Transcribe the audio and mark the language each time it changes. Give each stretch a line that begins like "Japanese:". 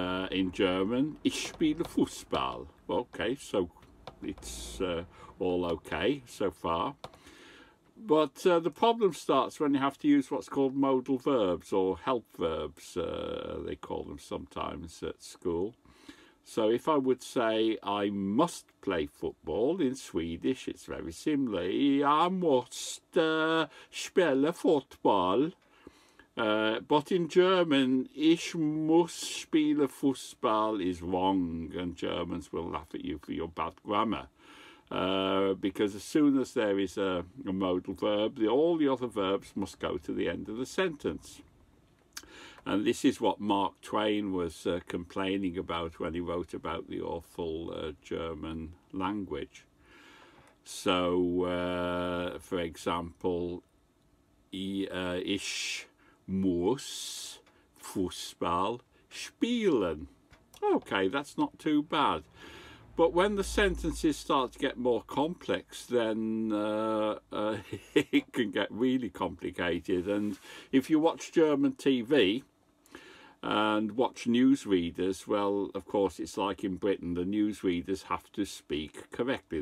English: In German,
German: ich spiele Fußball.
English: Okay, so it's all okay so far. But the problem starts when you have to use what's called modal verbs, or help verbs, they call them sometimes at school. So if I would say, I must play football, in Swedish it's very similar.
Swedish: Jag måste spela fotboll.
English: But in German,
German: ich muss spielen Fußball
English: is wrong, and Germans will laugh at you for your bad grammar. Because as soon as there is a modal verb, all the other verbs must go to the end of the sentence. And this is what Mark Twain was complaining about when he wrote about the awful German language. So, for example,
German: ich muss Fußball spielen.
English: Okay, that's not too bad. But when the sentences start to get more complex, then it can get really complicated. And if you watch German TV and watch newsreaders, well, of course, it's like in Britain, the newsreaders have to speak correctly.